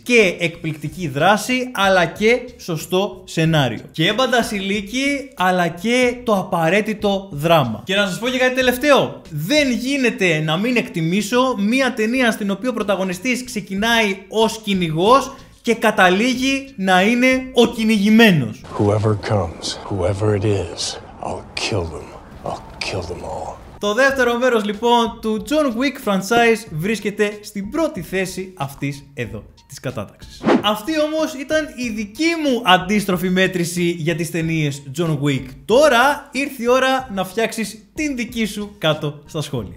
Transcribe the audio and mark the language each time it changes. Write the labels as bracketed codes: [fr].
[el] Και εκπληκτική δράση, αλλά και σωστό σενάριο. Και έμπαντα σιλίκι, αλλά και το απαραίτητο δράμα. Και να σας πω και κάτι τελευταίο. Δεν γίνεται να μην εκτιμήσω μια ταινία στην οποία ο πρωταγωνιστής ξεκινάει ως κυνηγός και καταλήγει να είναι ο κυνηγημένος. [en] Whoever comes, whoever it is, I'll kill them. I'll kill them all. [el] Το δεύτερο μέρος λοιπόν του John Wick franchise βρίσκεται στην πρώτη θέση αυτής εδώ της κατάταξης. Αυτή όμως ήταν η δική μου αντίστροφη μέτρηση για τις ταινίες John Wick. Τώρα ήρθε η ώρα να φτιάξεις την δική σου κάτω στα σχόλια.